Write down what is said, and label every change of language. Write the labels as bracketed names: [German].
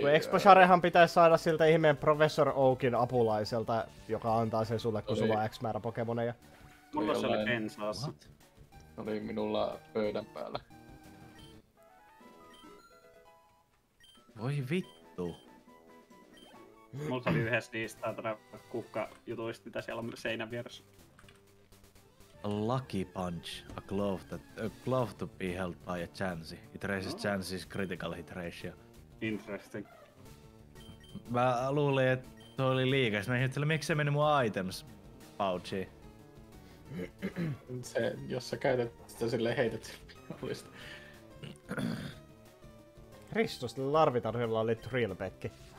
[Finnish] Kun EXP-sharehan pitäis saada siltä ihmeen Professor Oakin apulaiselta, joka antaa sen sulle, kun sulla on X-määrä Pokemoneja. Mulla se oli pensaassa. Se oli minulla pöydän päällä. Voi vittu. Mulla oli yhdessä niistä tätä kukkajutuista, mitä siellä on seinän vieressä. [English] A lucky punch, a glove to be held by a chance. It raises chances, critical hit ratio. Interesting. [Finnish] Mä luulin, että toi oli liikaa. Mä ihminen, että miksi se meni mun items pouchiin. Se, jos sä käytät sitä silleen heität sille. Kristus, tällä larvitarhoilla oli drillpekki.